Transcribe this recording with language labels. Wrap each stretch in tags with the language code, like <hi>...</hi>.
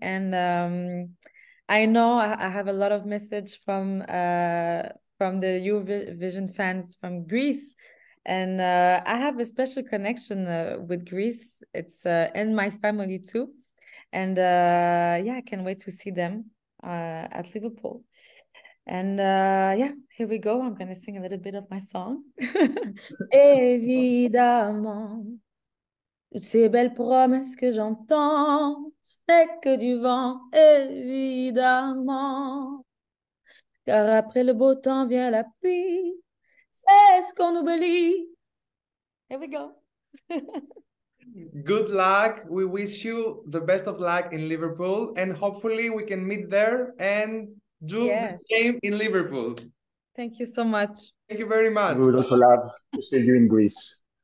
<en>And I know I have a lot of message from the Eurovision fans from Greece. And I have a special connection with Greece. It's in my family too. And yeah, I can't wait to see them at Liverpool. And yeah, here we go. I'm gonna sing a little bit of my song.</en> <fr>Évidemment, ces belles promesses que j'entends, c'est que du vent, évidemment. Car après le beau temps vient la pluie, c'est ce qu'on oublie.</fr> <en>Here we go. Good luck. We wish you the best of luck in Liverpool, and hopefully we can meet there and do Yeah. this game in Liverpool. Thank you so much. Thank you very We much. would also love to see you in Greece.</en>